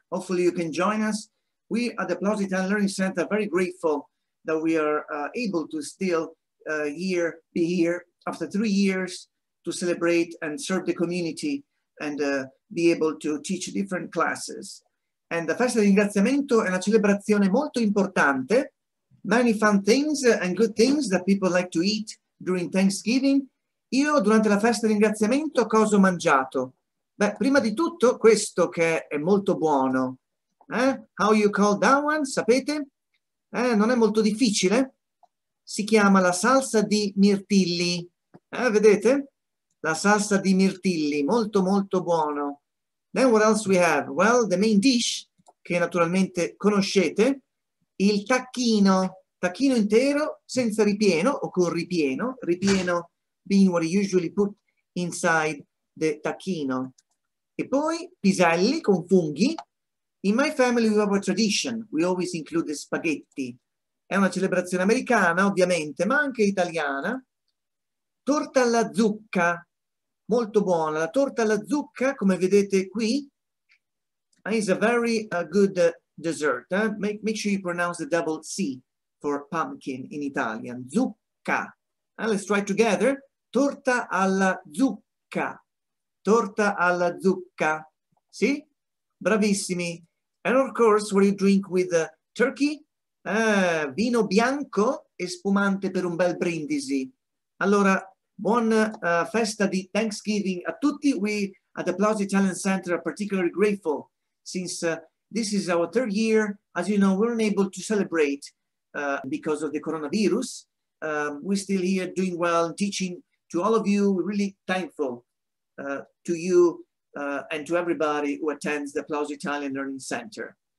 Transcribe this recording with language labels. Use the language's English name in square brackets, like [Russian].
[English] Hopefully you can join us. We at the Plaza Italian Learning Center are very grateful that we are able to still be here after 3 years to celebrate and serve the community and be able to teach different classes. And the [Italian] Festa di Ringraziamento è una celebrazione molto importante. [English] Many fun things and good things that people like to eat during Thanksgiving. [Italian] Io durante la Festa di Ringraziamento cosa ho mangiato? Beh, prima di tutto questo che è molto buono. [English] How you call that one, [Italian] sapete? Non è molto difficile. Si chiama la salsa di mirtilli. Vedete? La salsa di mirtilli, molto molto buono. [English] Then what else we have? Well, the main dish, [Italian] che naturalmente conoscete, il tacchino. Tacchino intero, senza ripieno, o con ripieno. [English] Ripieno being what you usually put inside the tacchino. [Italian] E poi piselli con funghi. [English] In my family we have a tradition, we always include the spaghetti. [Italian] È una celebrazione americana, ovviamente, ma anche italiana. Torta alla zucca, molto buona. La torta alla zucca, come vedete qui, [English] is a very good dessert. Make sure you pronounce the double C for pumpkin in Italian. [Italian] Zucca. [English] Let's try together. [Italian] Torta alla zucca. Torta alla zucca. Sì? Bravissimi. [English] And of course, what do you drink with turkey? [Italian] Vino bianco e spumante per un bel brindisi. Allora, buona festa di Thanksgiving a tutti. [English] We at the Plaza Italian Center are particularly grateful since this is our third year. As you know, we're unable to celebrate because of the coronavirus. We're still here doing well, teaching to all of you. We're really thankful to you and to everybody who attends the Plaza Italian Learning Center.